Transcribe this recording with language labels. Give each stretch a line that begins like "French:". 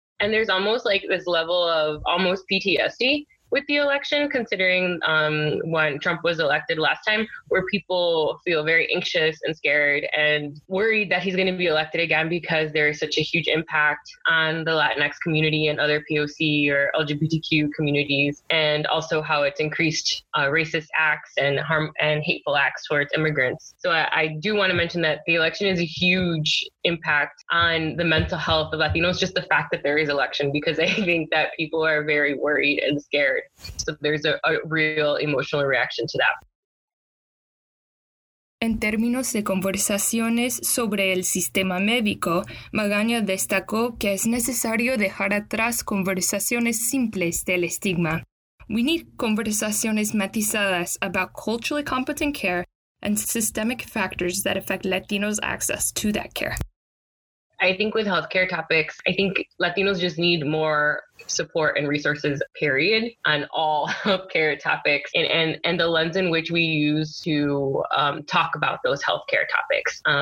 English: And there's almost like this level of almost PTSD with the election, considering when Trump was elected last time, where people feel very anxious and scared and worried that he's going to be elected again because there is such a huge impact on the Latinx community and other POC or LGBTQ communities, and also how it's increased racist acts and harm and hateful acts towards immigrants. So I do want to mention that the election is a huge impact on the mental health of Latinos, just the fact that there is election, because I think that people are very worried and scared. So there's a real emotional reaction to that.
Spanish: En términos de conversaciones sobre el sistema médico, Magaña destacó que es necesario dejar atrás conversaciones simples del estigma.
English: We need
Spanish: conversaciones matizadas
English: about culturally competent care and systemic factors that affect Latinos' access to that care. I think with healthcare topics, I think Latinos just need more support and resources, period, on all healthcare topics and the lens in which we use to talk about those healthcare topics.